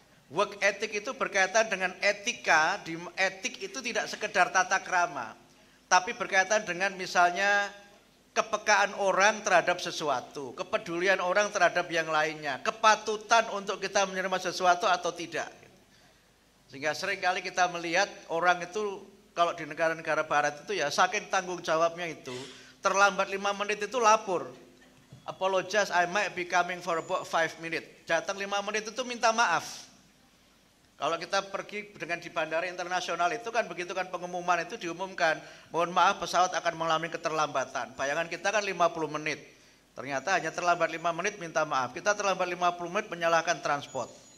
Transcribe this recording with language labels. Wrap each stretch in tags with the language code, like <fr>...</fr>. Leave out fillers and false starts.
<id>Work ethic itu berkaitan dengan etika, di etik itu tidak sekedar tata krama, tapi berkaitan dengan misalnya kepekaan orang terhadap sesuatu, kepedulian orang terhadap yang lainnya, kepatutan untuk kita menerima sesuatu atau tidak. Sehingga sering kali kita melihat orang itu kalau di negara-negara barat itu ya saking tanggung jawabnya itu, terlambat 5 menit itu lapor.</id> <en>Apologize, I might be coming for about 5 minutes.</en> <id>Datang 5 menit itu minta maaf. Kalau kita pergi dengan di bandara internasional itu kan begitu kan pengumuman itu diumumkan. Mohon maaf pesawat akan mengalami keterlambatan. Bayangan kita kan 50 menit. Ternyata hanya terlambat 5 menit minta maaf. Kita terlambat 50 menit menyalahkan transport.</id>